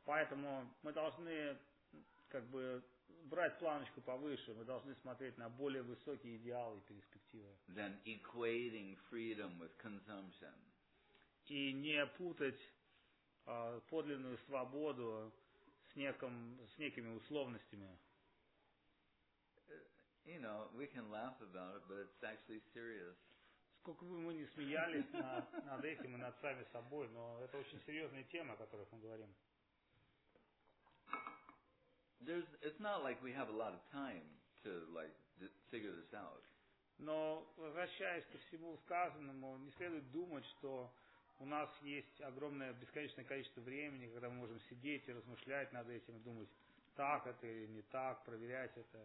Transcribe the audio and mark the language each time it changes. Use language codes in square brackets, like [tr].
[ru] Поэтому мы должны брать планочку повыше, мы должны смотреть на более высокие идеалы и перспективы. [en] Then equating freedom with consumption. [ru] И не путать подлинную свободу с некими условностями. [en] You know, we can laugh about it, but it's actually serious. [ru] Сколько бы мы ни смеялись над этим и над сами собой, но это очень серьезная тема, о которой мы говорим. [en] It's not like we have a lot of time to figure this out. [ru] Но возвращаясь ко всему сказанному, не следует думать, что у нас есть огромное бесконечное количество времени, когда мы можем сидеть и размышлять над этим и думать, так это или не так, проверять это.